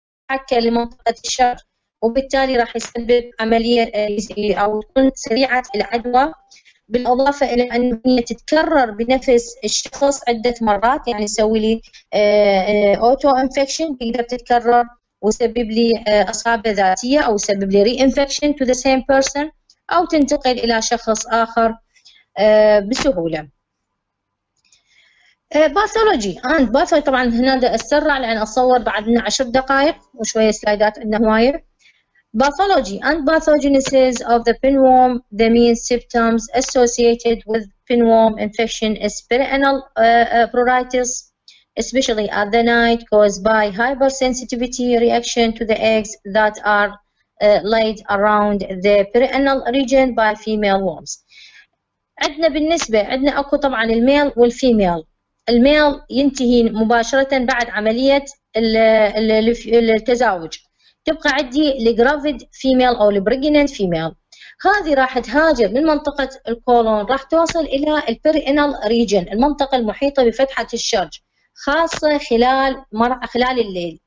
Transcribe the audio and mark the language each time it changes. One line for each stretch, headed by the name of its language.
Arabic: حكة لمنطقة الشر، وبالتالي راح يسبب عملية أو تكون سريعة العدوى، بالإضافة إلى أن هي تتكرر بنفس الشخص عدة مرات، يعني يسوي لي أوتو إنفكشن تقدر تتكرر وسبب لي أصابة ذاتية أو سبب لي
English: re-infection to the same person
Arabic: أو تنتقل إلى شخص آخر بسهولة. باثولوجي and باثولوجي، طبعا هنا أسرع لأن أصور بعدنا 10 دقائق وشوية سلايدات عندنا هواير.
English: Pathology and pathogenesis of the pinworm, the main symptoms associated with pinworm infection is perianal pruritus especially at the night caused by hypersensitivity reaction to the eggs that are laid around the perianal region by female worms.
Arabic: عندنا بالنسبة عندنا اكو طبعا الميل والفيميل. الميل ينتهي مباشرة بعد عملية التزاوج، تبقى عندي الجرافيد فيميل او البريجننت فيميل، هذه راح تهاجر من منطقة الكولون راح توصل الى البرينال ريجن، المنطقة المحيطة بفتحة الشرج، خاصة خلال خلال الليل.